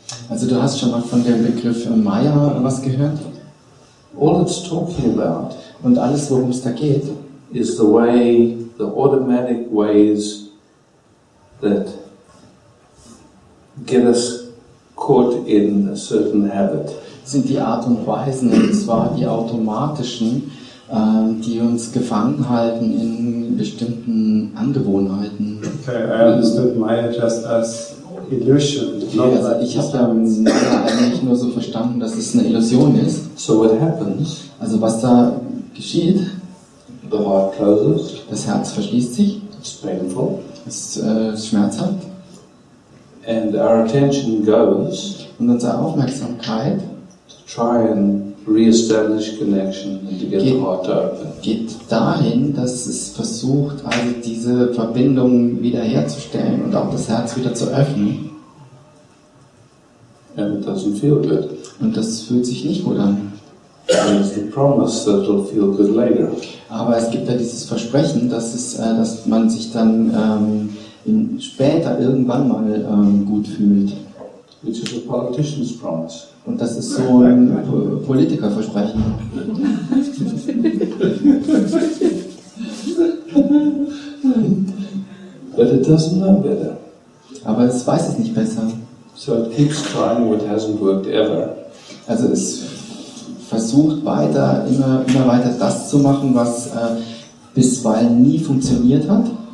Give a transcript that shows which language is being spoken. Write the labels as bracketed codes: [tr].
[de] Also du hast schon mal von dem Begriff Maya was gehört? [en] All it's talking about, [de] und alles, worum es da geht, [en] is the way, the automatic ways that get us caught in a certain habit. [de] Sind die Art und Weisen, und zwar die automatischen, die uns gefangen halten in bestimmten Angewohnheiten. [en] Okay, I understood Maya just as illusion. [de] Okay, also ich habe Maya eigentlich nur so verstanden, dass es eine Illusion ist. [en] So what happens? [de] Also was da geschieht? [en] The heart closes. [de] Das Herz verschließt sich. [en] It's painful. [de] Es ist schmerzhaft. [en] And our attention goes. [de] Und unsere Aufmerksamkeit. [en] To try and re-establish connection and to get the heart to open. [de] Geht dahin, dass es versucht, also diese Verbindung wiederherzustellen und auch das Herz wieder zu öffnen. [en] And it doesn't feel good. [de] Und das fühlt sich nicht gut an. [en] And it's the promise that it'll feel good later. [de] Aber es gibt ja dieses Versprechen, dass es, dass man sich dann später irgendwann mal gut fühlt. [en] Which is a politician's promise. [de] Und das ist so ein Politikerversprechen. [en] But it doesn't know better. [de] Aber es weiß es nicht besser. [en] So it keeps trying what hasn't worked ever. [de] Also es versucht weiter, immer weiter das zu machen, was bisweilen nie funktioniert hat.